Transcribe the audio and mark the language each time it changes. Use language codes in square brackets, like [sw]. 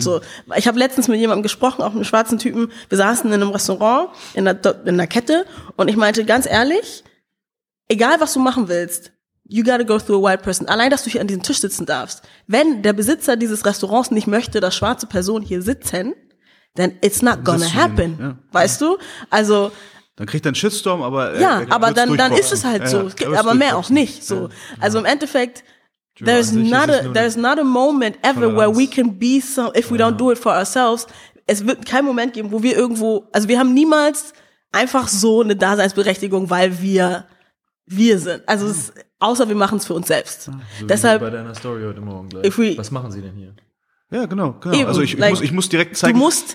[de] So, ich habe letztens mit jemandem gesprochen, auch einem schwarzen Typen. Wir saßen in einem Restaurant in der Kette und ich meinte, ganz ehrlich, egal, was du machen willst, [en] you gotta go through a white person. [de] Allein, dass du hier an diesem Tisch sitzen darfst. Wenn der Besitzer dieses Restaurants nicht möchte, dass schwarze Personen hier sitzen, [en] then it's not gonna happen. [de] Ja. Weißt du? Also, dann kriegt er einen Shitstorm, aber ja, aber dann ist es halt so, aber mehr auch nicht. [en] So, [de] also im Endeffekt, [en] there's not a moment ever where we can be some if we don't do it for ourselves. [de] Es wird keinen Moment geben, wo wir irgendwo, also wir haben niemals einfach so eine Daseinsberechtigung, weil wir sind. Also außer wir machen es für uns selbst. So deshalb wie bei deiner Story heute Morgen gleich. Was machen Sie denn hier? Ja, genau. Eben, also ich muss direkt zeigen. Du musst